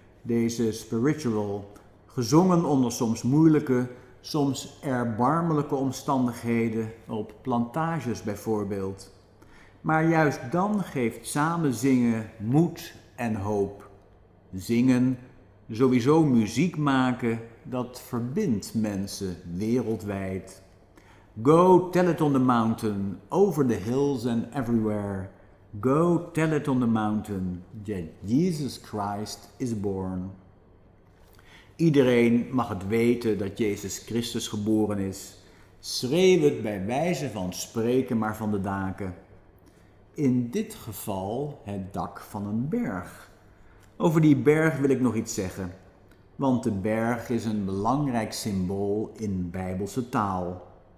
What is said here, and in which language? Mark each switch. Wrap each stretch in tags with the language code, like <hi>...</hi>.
<nl>Deze spiritual, gezongen onder soms moeilijke, soms erbarmelijke omstandigheden, op plantages bijvoorbeeld. Maar juist dan geeft samen zingen moed en hoop. Zingen, sowieso muziek maken, dat verbindt mensen wereldwijd.</nl> <en>Go tell it on the mountain, over the hills and everywhere. Go tell it on the mountain that Jesus Christ is born.</en> <nl>Iedereen mag het weten dat Jezus Christus geboren is. Schreeuw het bij wijze van spreken maar van de daken. In dit geval het dak van een berg. Over die berg wil ik nog iets zeggen. Want de berg is een belangrijk symbool in Bijbelse taal.</nl>